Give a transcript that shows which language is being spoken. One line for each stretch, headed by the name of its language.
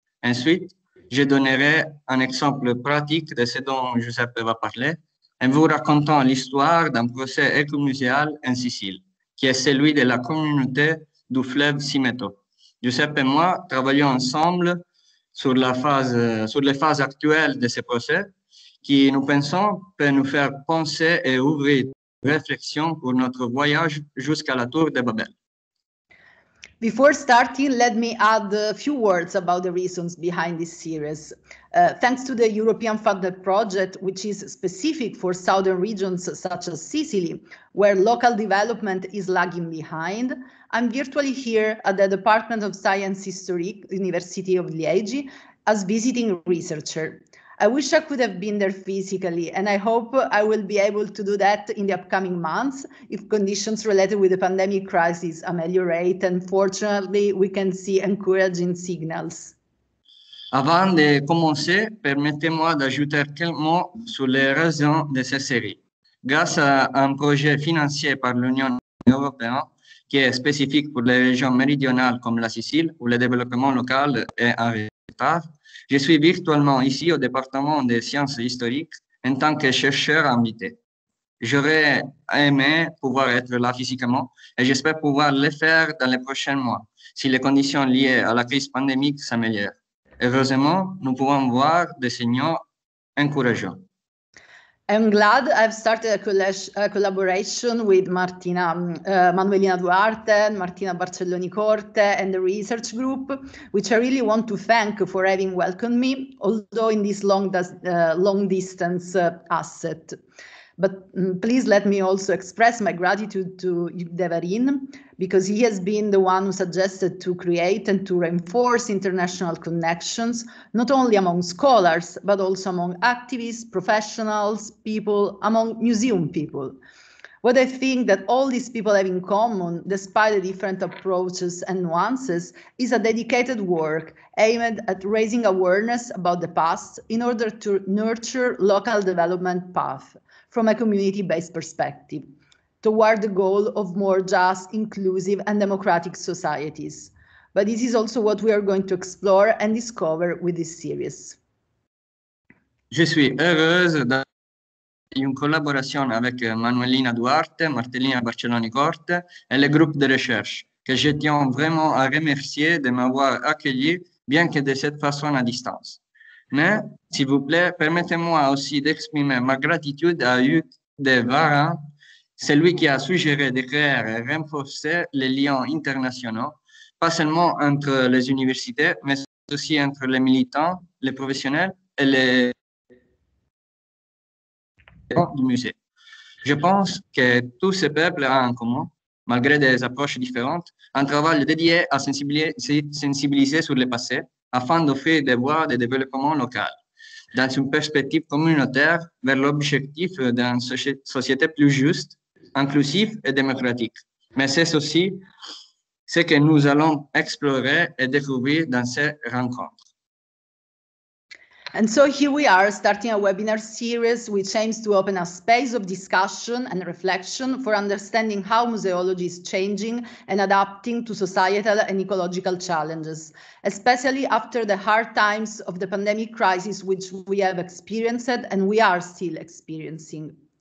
French: Ensuite, je donnerai un exemple pratique de ce dont Giuseppe va parler en vous racontant l'histoire d'un procès écomuséal en Sicile, qui est celui de la communauté du fleuve Simeto. Giuseppe et moi travaillons ensemble sur les phases actuelles de ce procès qui, nous pensons, peut nous faire penser et ouvrir réflexion pour notre voyage jusqu'à la tour de Babel.
English: Before starting, let me add a few words about the reasons behind this series. Thanks to the European funded project, which is specific for southern regions such as Sicily, where local development is lagging behind, I'm virtually here at the Department of Science History, University of Liegi, as visiting researcher. I wish I could have been there physically, and I hope I will be able to do that in the upcoming months if conditions related with the pandemic crisis ameliorate and fortunately we can see encouraging signals.
French: Avant de commencer, permettez-moi d'ajouter quelques mots sur les raisons de cette série. Grâce à un projet financé par l'Union européenne qui est spécifique pour les régions méridionales comme la Sicile où le développement local est en retard, je suis virtuellement ici au département des sciences historiques en tant que chercheur invité. J'aurais aimé pouvoir être là physiquement et j'espère pouvoir le faire dans les prochains mois si les conditions liées à la crise pandémique s'améliorent. Heureusement, nous pouvons voir des signaux encourageants.
English: I'm glad I've started a collaboration with Martina Manuelina Duarte, Martina Barcelloni Corte, and the research group, which I really want to thank for having welcomed me, although in this long distance asset. But please let me also express my gratitude to Devarin, because he has been the one who suggested to create and to reinforce international connections, not only among scholars, but also among activists, professionals, people, among museum people. What I think that all these people have in common, despite the different approaches and nuances, is a dedicated work aimed at raising awareness about the past in order to nurture local development path from a community-based perspective, toward the goal of more just, inclusive, and democratic societies. But this is also what we are going to explore and discover with this series.
French: Je suis heureuse d'une collaboration avec Manuelina Duarte, Martelina Barcelloni Corte et le groupe de recherche, que je tiens vraiment à remercier de m'avoir accueilli, bien que de cette façon à distance. Mais, s'il vous plaît, permettez-moi aussi d'exprimer ma gratitude à Hugues de Varin, celui qui a suggéré de créer et renforcer les liens internationaux, pas seulement entre les universités, mais aussi entre les militants, les professionnels et les gens du musée. Je pense que tous ces peuples ont en commun, malgré des approches différentes, un travail dédié à sensibiliser sur le passé, afin d'offrir des voies de développement local, dans une perspective communautaire vers l'objectif d'une société plus juste, inclusive et démocratique. Mais c'est aussi ce que nous allons explorer et découvrir dans ces rencontres.
English: And so here we are, starting a webinar series which aims to open a space of discussion and reflection for understanding how museology is changing and adapting to societal and ecological challenges, especially after the hard times of the pandemic crisis which we have experienced and we are still experiencing.